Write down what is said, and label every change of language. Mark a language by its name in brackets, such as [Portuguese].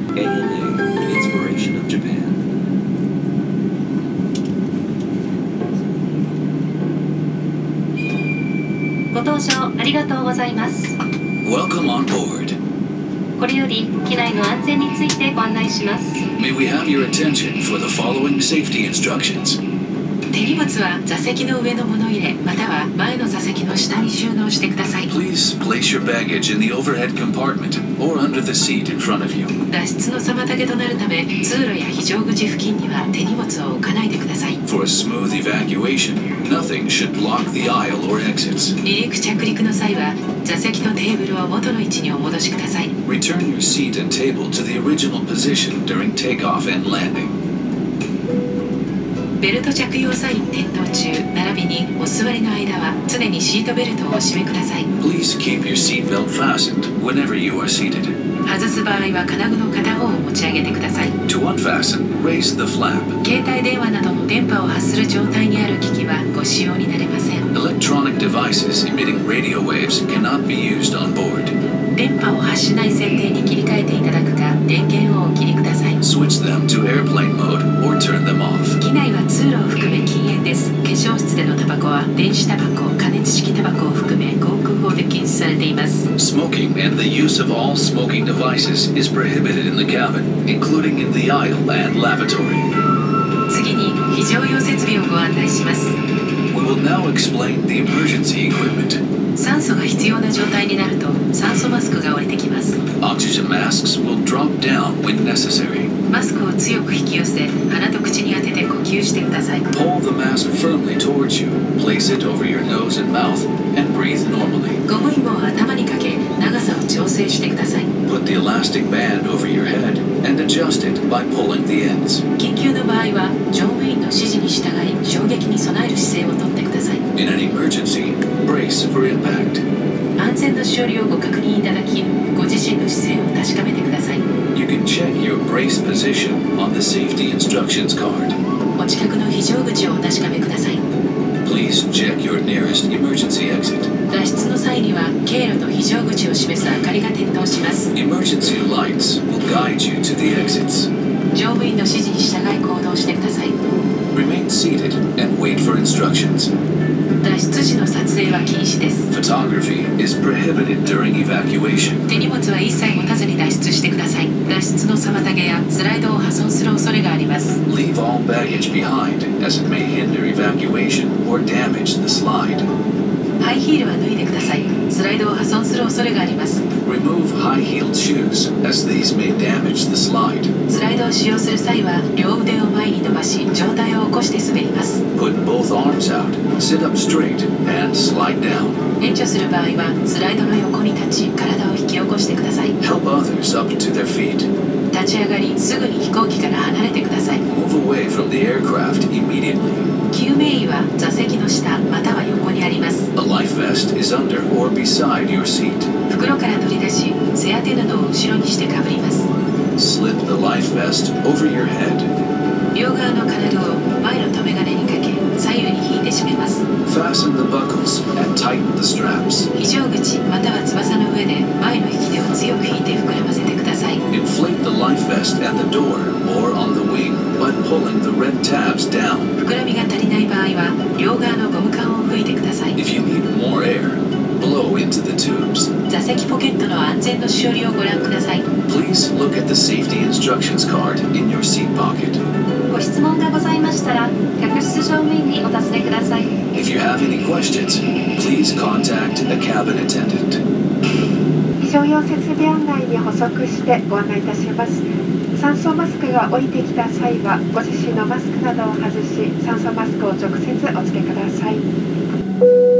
[English] ANA Inspiration of Japan。 [Japanese] ご搭乗ありがとうございます。 [English] Welcome on board。 [Japanese] これより機内の安全についてご案内します。 [English] May we have your attention for the following safety instructions。 [Japanese] 手荷物は座席の上の物入れ、または前の座席の下に収納してください。 [English] Please place your baggage in the overhead compartment or under the seat in front of you。 [Japanese] 脱出の妨げとなるため、通路や非常口付近には手荷物を置かないでください。 [English] For a smooth evacuation, nothing should block the aisle or exits。 [Japanese] 離陸着陸の際は、座席とテーブルを元の位置にお戻しください。 [English] Return your seat and table to the original position during takeoff and landing。 [Japanese] ベルト着用サイン点灯中、並びにお座りの間は常にシートベルトをお締めください。 [English] Please keep your seat belt fastened whenever you are seated. [Japanese] 外す場合は金具の片方を持ち上げてください。 [English] To unfasten, raise the flap. [Japanese] 携帯電話などの電波を発する状態にある機器はご使用になれません。 [English] Electronic devices emitting radio waves cannot be used on board. [Japanese] 電波を発しない設定に切り替えていただくか、電源をお切りください。 [English] Switch them to airplane mode or turn them off. [Japanese] 機内は通路を含め禁煙です。化粧室でのタバコは電子タバコ、加熱式タバコを含め航空法で禁止されています。 [English] Smoking and the use of all smoking devices is prohibited in the cabin, including in the aisle and lavatory. [Japanese] 次に非常用設備をご案内します。 [English] We will now explain the emergency equipment. [Japanese] 酸素が必要な状態になると酸素マスクが降りてきます。 [English] Oxygen masks will drop down when necessary. [Japanese] マスクを強く引き寄せ、鼻と口に当てて呼吸してください。 [English] Pull the mask firmly towards you. Place it over your nose and mouth and breathe normally. [Japanese] ゴム紐を頭にかけ、長さを調整してください。 [English] Put the elastic band over your head and adjust it by pulling the ends. [Japanese] 緊急の場合は、乗務員の指示に従い、衝撃に備える姿勢をとってください。 [English] In an emergency, brace for impact. [Japanese] 安全の処理をご確認いただき、ご自身の姿勢を確かめてください。 [English] You can check your brace position on the safety instructions card. [Japanese] お近くの非常口をお確かめください。 [English] Please check your nearest emergency exit. [Japanese] 脱出の際には、経路と非常口を示す明かりが点灯します。 [English] Emergency lights will guide you to the exits. [Japanese] 乗務員の指示に従い行動してください。 [English] Remain seated and wait for instructions. [Japanese] 脱出時の撮影は禁止です。 [English] Photography is prohibited during evacuation. [Japanese] 手荷物は一切持たずに脱出してください。脱出の妨げやスライドを破損する恐れがあります。 [English] Leave all baggage behind, as it may hinder evacuation or damage the slide. [Japanese] ハイヒールは脱いでください。スライドを破損する恐れがあります。 [English] Remove high-heeled shoes, as these may damage the slide. [Japanese] スライドを使用する際は、両腕を前に伸ばし、上体を起こして滑ります。 [English] Put both arms out, sit up straight, and slide down. [Japanese] 援助する場合は、スライドの横に立ち、体を引き起こしてください。 [English] Help others up to their feet. [Japanese] 立ち上がり、すぐに飛行機から離れてください。 [English] Move away from the aircraft immediately. [Japanese] 救命衣は座席の下または横にあります。 [English] A life vest is under or beside your seat. [Japanese] 袋から取り出し、背当て布を後ろにしてかぶります。 [English] Slip the life vest over your head. [Japanese] 両側の金具を前の留め金にかけ、左右に引いて締めます。 [English] Fasten the buckles and tighten the straps. [Japanese] 非常口または翼の上で前の引き手を強く引いて膨らませてください。 [English] Inflate the life vest at the door or on the wing. By pulling the red tabs down. [Japanese] 膨らみが足りない場合は、両側のゴム管を拭いてください。 [English] If you need more air, blow into the tubes. [Japanese] 座席ポケットの安全の処理をご覧ください。 [English] Please look at the safety instructions card in your seat pocket. [Japanese] ご質問がございましたら、客室乗務員にお尋ねください。 [English] If you have any questions, please contact the cabin attendant. [Japanese] 非常用設備案内に補足してご案内いたします。酸素マスクが降りてきた際はご自身のマスクなどを外し酸素マスクを直接お付けください。